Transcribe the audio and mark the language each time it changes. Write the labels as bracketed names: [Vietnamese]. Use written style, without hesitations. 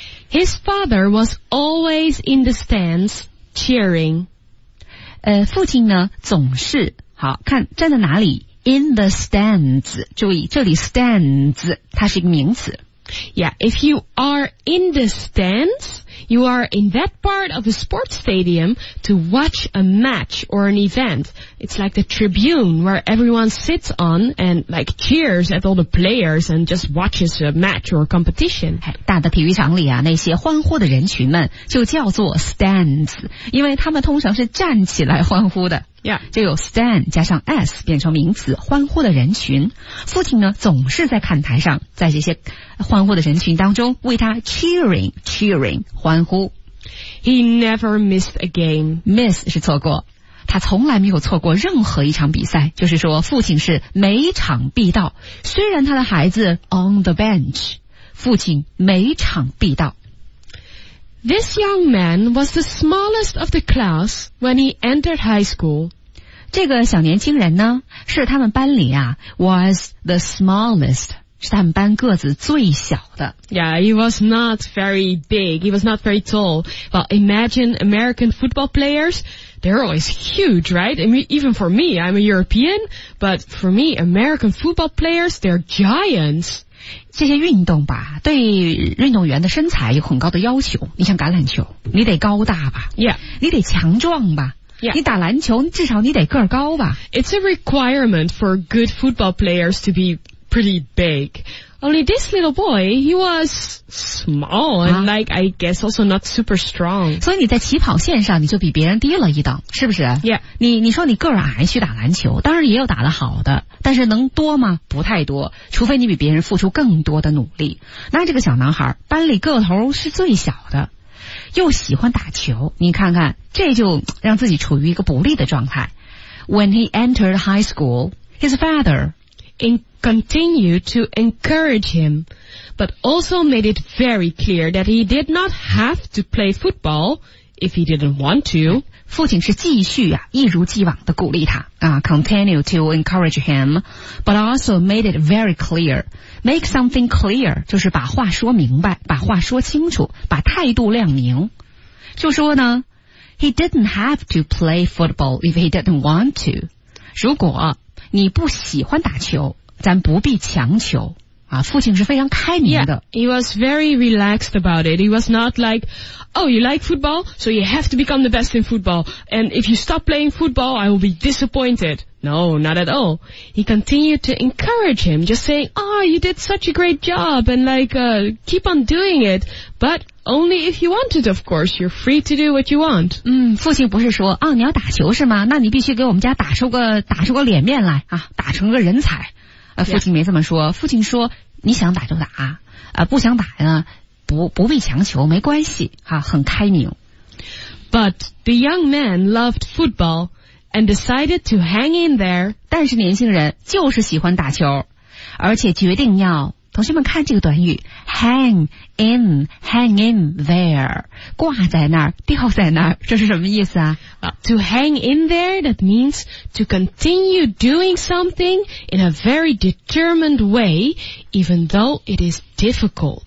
[English] His father was always in the stands cheering. [Chinese] 父亲呢总是好看站在哪里 , [English] in the stands. [Chinese] 注意这里 stands, 它是一个名词。 [English] Yeah, if you are in the stands, you are in that part of a sports stadium to watch a match or an event. It's like the tribune where everyone sits on and like cheers at all the players and just watches a match or a competition. [Chinese] 大的体育场里啊，那些欢呼的人群们就叫做 stands, 因为他们通常是站起来欢呼的。 [English] Yeah. [Chinese] 就有 stand 加上 s 变成名词欢呼的人群。父亲呢总是在看台上在这些欢呼的人群当中为他 cheering, 欢呼。 [English] He never missed a game. [Chinese] Miss 是错过。他从来没有错过任何一场比赛，就是说父亲是每场必到。虽然他的孩子 [English] on the bench, [Chinese] 父亲每场必到。 [English] This young man was the smallest of the class when he entered high school. [Chinese] 这个小年轻人呢是他们班里啊 [English] was the smallest, [Chinese] 是他们班个子最小的。 [English] Yeah, he was not very big, he was not very tall. Well, imagine American football players, they're always huge, right? I mean, even for me, I'm a European, but for me, American football players, they're giants. [Chinese] 这些运动吧对运动员的身材有很高的要求你像橄榄球你得高大吧、 [English] yeah. [Chinese] 你得强壮吧、 [English] yeah. [Chinese] 你打篮球至少你得个儿高吧 [English] It's a requirement for good football players to be pretty big. Only this little boy, he was small and like, I guess also not super strong. [Chinese] 所以你在起跑线上你就比别人低了一等，是不是？ [English] Yeah. [Chinese] 你说你个儿矮去打篮球，当然也有打得好的，但是能多吗？不太多，除非你比别人付出更多的努力。那这个小男孩班里个头是最小的，又喜欢打球，你看看，这就让自己处于一个不利的状态。 [English] When he entered high school, his father continued to encourage him, but also made it very clear that he did not have to play football if he didn't want to. [Chinese] 父亲是继续啊，一如既往的鼓励他啊 ， [English] continue to encourage him, but also made it very clear. Make something clear [Chinese] 就是把话说明白，把话说清楚，把态度亮明。就说呢。 [English] He didn't have to play football if he didn't want to. [Chinese] 如果你不喜欢打球，咱不必强求。啊，父亲是非常开明的。 [English] Yeah, he was very relaxed about it. He was not like, oh, you like football? So you have to become the best in football. And if you stop playing football, I will be disappointed. No, not at all. He continued to encourage him, just saying, oh, you did such a great job and like, keep on doing it. But... Only if you want it, of course, you're free to do what you want. [Chinese] 嗯，父亲不是说，哦，你要打球是吗？那你必须给我们家打出个脸面来啊，打成个人才。父亲没这么说，父亲说，你想打就打，不想打呢，不必强求，没关系，啊，很开明。 [English] But the young man loved football and decided to hang in there. [Chinese] 但是年轻人就是喜欢打球，而且决定要同学们看这个短语 [English] hang in there [Chinese] 挂在那儿吊在那儿这是什么意思啊、 [English] to hang in there that means to continue doing something in a very determined way even though it is difficult